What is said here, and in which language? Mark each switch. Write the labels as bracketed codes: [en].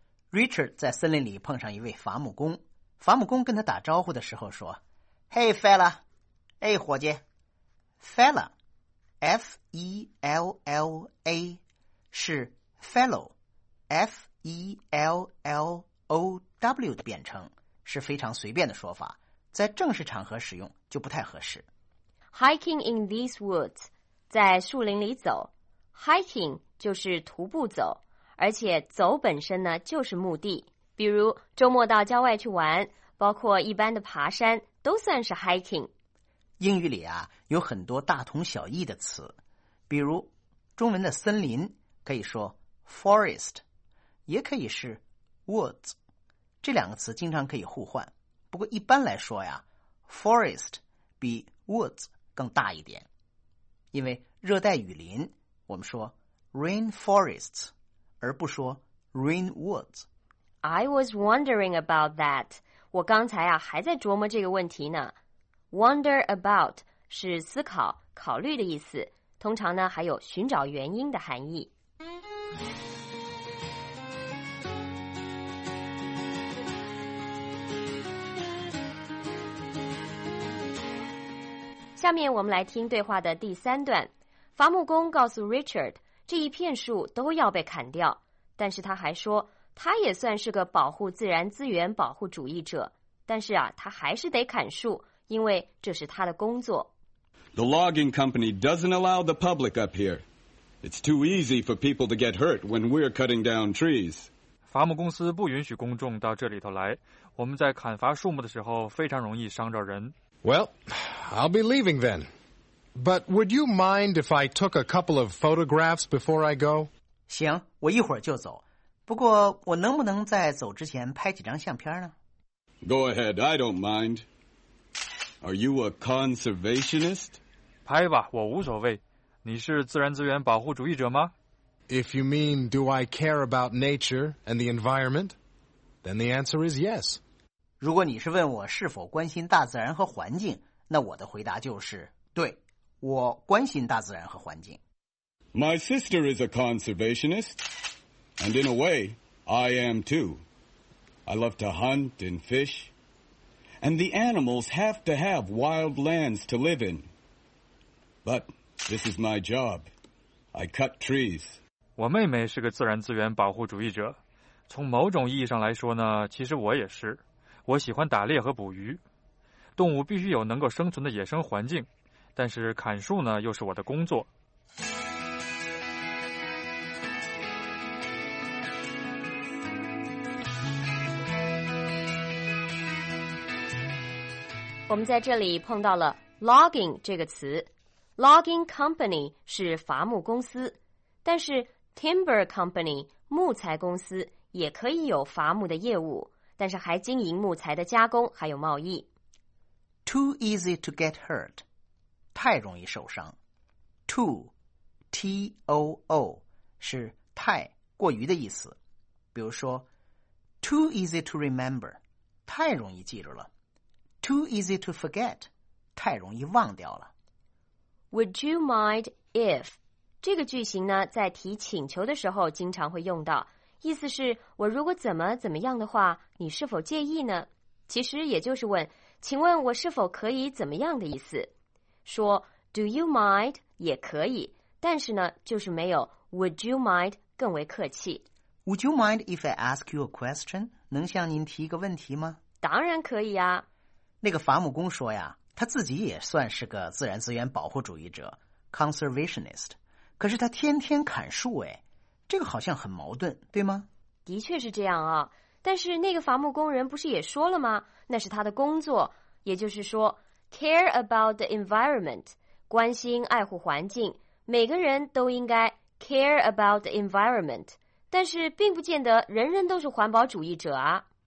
[zh] Richard 在森林里碰上一位伐木工，伐木工跟他打招呼的时候说 [en] Hey fella， [zh] 哎伙计。 fella F-E-L-L-A 是 fellow F-E-L-L-O-W 的变称，是非常随便的说法，在正式场合使用就不太合适。 [en] Hiking in these woods， [zh] 在树林里走。 Hiking 就是徒步走，而且走本身呢就是目的。比如周末到郊外去玩，包括一般的爬山，都算是 hiking。英语里啊有很多大同小异的词，比如中文的森林可以说 forest， 也可以是 woods， 这两个词经常可以互换。不过一般来说呀 ，forest 比 woods 更大一点，因为热带雨林我们说 rainforests， 而不说 rain woods。 [en] I was wondering about that。 [zh] 我刚才啊还在琢磨这个问题呢。Wonder about 是思考、考虑的意思，通常呢还有寻找原因的含义。下面我们来听对话的第三段。伐木工告诉 Richard， 这一片树都要被砍掉，但是他还说他也算是个保护自然资源保护主义者，但是啊他还是得砍树，因为这是他的工作。 [en] The logging company doesn't allow the public up here. It's too easy for people to get hurt when we're cutting down trees. [zh] 伐木公司不允许公众到这里头来，我们在砍伐树木的时候非常容易伤着人。 [en] Well, I'll be leaving then. But would you mind if I took a couple of photographs before I go? [zh] 行，我一会儿就走。不过我能不能在走之前拍几张相片呢？ [en] Go ahead, I don't mind. Are you a conservationist? [zh] 拍吧，我无所谓。你是自然资源保护主义者吗？ [en] If you mean do I care about nature and the environment, then the answer is yes. [zh] 如果你是问我是否关心大自然和环境，那我的回答就是，对，我关心大自然和环境。 [en] My sister is a conservationist, and in a way, I am too. I love to hunt and fish, and the animals have to have wild lands to live in. But this is my job. I cut trees. [zh] 我妹妹是个自然资源保护主义者，从某种意义上来说呢，其实我也是。我喜欢打猎和捕鱼，动物必须有能够生存的野生环境，但是砍树呢，又是我的工作。我们在这里碰到了 logging 这个词。Logging company 是伐木公司，但是 timber company 木材公司也可以有伐木的业务，但是还经营木材的加工还有贸易。 [en] Too easy to get hurt， [zh] 太容易受伤。 Too， T-O-O， 是太过于的意思。比如说 ， [en] Too easy to remember， [zh] 太容易记住了。 [en] Too easy to forget， [zh] 太容易忘掉了。 Would you mind if 这个句型呢，在提请求的时候经常会用到，意思是我如果怎么怎么样的话，你是否介意呢？其实也就是问，请问我是否可以怎么样的意思。说 Do you mind 也可以，但是呢，就是没有 Would you mind 更为客气。 [en] Would you mind if I ask you a question? [zh] 能向您提一个问题吗？当然可以啊。那个伐木工说呀，他自己也算是个自然资源保护主义者 conservationist， 可是他天天砍树，哎，这个好像很矛盾，对吗？的确是这样啊。但是那个伐木工人不是也说了吗？那是他的工作，也就是说 [en] care about the environment， [zh] 关心爱护环境，每个人都应该 care about the environment， 但是并不见得人人都是环保主义者啊。